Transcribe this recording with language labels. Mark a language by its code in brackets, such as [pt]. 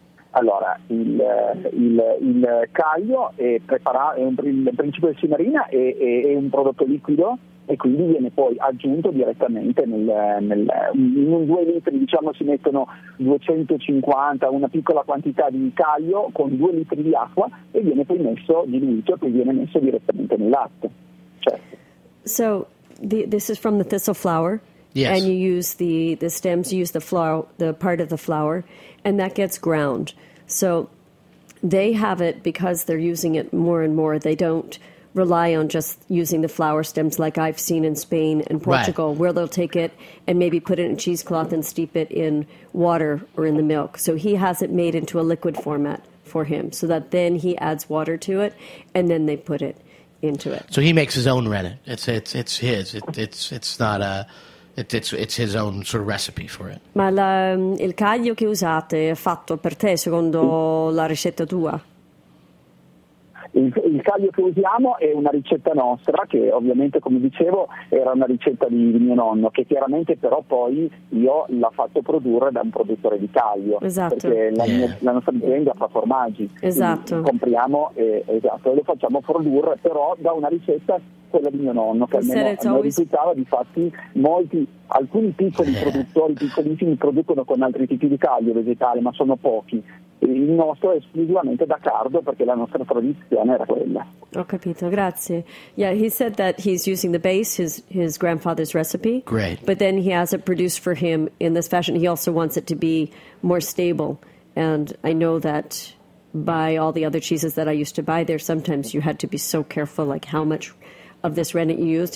[it] Allora, il caglio è preparato, il principio di cinarina è un prodotto liquido e quindi viene poi aggiunto direttamente in 2 litri, diciamo si mettono 250, una piccola quantità di caglio con 2 litri di acqua e viene poi messo diluito e poi viene messo direttamente nel latte. Certo. [en] So, this is from the thistle flower. Yes. And you use the stems, you use the part of the flower, and that gets ground. So they have it because they're using it more and more. They don't rely on just using the flower stems like I've seen in Spain and Portugal, right, where they'll take it and maybe put it in a cheesecloth and steep it in water or in the milk. So he has it made into a liquid format for him so that then he adds water to it and then they put it into it. So he makes his own rennet. It's his. It's his own sort of recipe for it. [it] Ma il caglio che usate è fatto per te secondo la ricetta tua? Il caglio che usiamo è una ricetta nostra, che ovviamente, come dicevo, era una ricetta di mio nonno, che chiaramente però poi io l'ho fatto produrre da un produttore di caglio. Esatto. Perché la nostra azienda fa formaggi. Esatto. Compriamo e lo facciamo produrre, però da una ricetta, quella di mio nonno, che almeno mi risultava, difatti alcuni piccoli produttori, piccolissimi, producono con altri tipi di caglio vegetale, ma sono pochi. Il nostro è esclusivamente da cardo perché la nostra tradizione era quella. Ho capito, grazie. [en] Yeah, he said that he's using the base, his grandfather's recipe. Great. But then he has it produced for him in this fashion. He also wants it to be more stable. And I know that by all the other cheeses that I used to buy there, sometimes you had to be so careful, like how much of this rennet you used.